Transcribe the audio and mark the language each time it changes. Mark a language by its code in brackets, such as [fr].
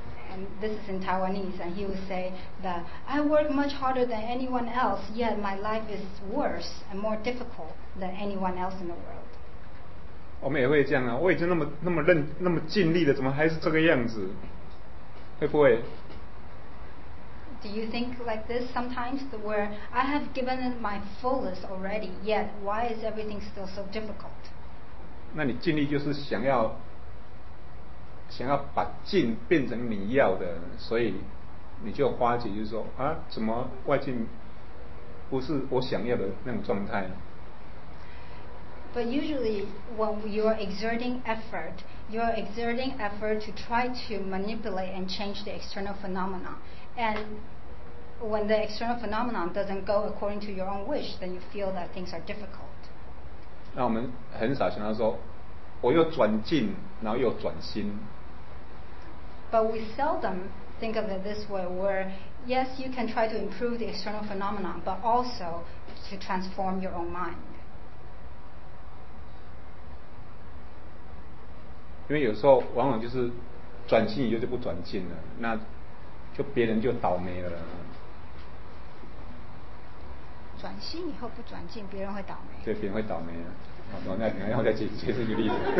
[en] And this is in Taiwanese, and he would say that I work much harder than anyone else, yet my life is worse and more difficult than anyone else in the world. [zh] 我们也会这样啊，我已经那么尽力了，怎么还是这个样子？会不会？ [en] Do you think like this sometimes, where I have given it my fullest already, yet why is everything still so difficult? [zh] 那你尽力就是想要把劲变成你要的，所以你就发觉就是说啊，怎么外境不是我想要的那种状态呢？ [en] But usually when you're exerting effort, you're exerting effort to try to manipulate and change the external phenomena. And when the external phenomenon doesn't go according to your own wish, then you feel that things are difficult. [zh] 那我们很少想到说我又转境然后又转心。 [en] But we seldom think of it this way, where yes, you can try to improve the external phenomenon, but also to transform your own mind. [zh] 因为有时候往往就是转心以后就不转境了，那就别人就倒霉了。转心以后不转境，别人会倒霉。对，别人会倒霉了。那你要再解释一个例子。